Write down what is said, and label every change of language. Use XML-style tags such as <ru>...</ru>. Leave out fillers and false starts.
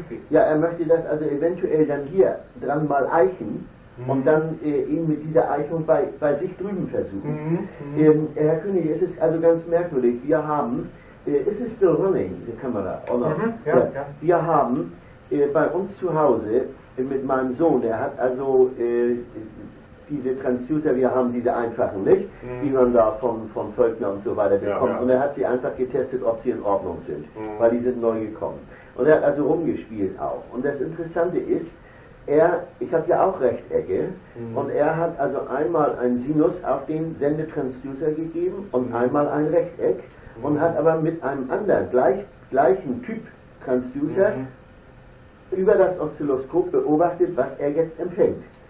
<de>Ja, er möchte das also eventuell dann hier dran mal eichen und dann eben mit dieser Eichung bei sich drüben versuchen. Herr König, es ist also ganz merkwürdig. Wir haben,</de> <en>is it still running, the camera, or not?</en> <de>Wir haben bei uns zu Hause mit meinem Sohn, der hat also diese Transducer, wir haben diese einfachen nicht, die man da von Völkner und so weiter bekommt. Ja, ja. Und er hat sie einfach getestet, ob sie in Ordnung sind, weil die sind neu gekommen. Und er hat also rumgespielt auch. Und das Interessante ist, ich habe ja auch Rechtecke, und er hat also einmal einen Sinus auf den Sendetransducer gegeben und einmal ein Rechteck und hat aber mit einem anderen, gleichen Typ Transducer über das Oszilloskop beobachtet, was er jetzt empfängt.</de>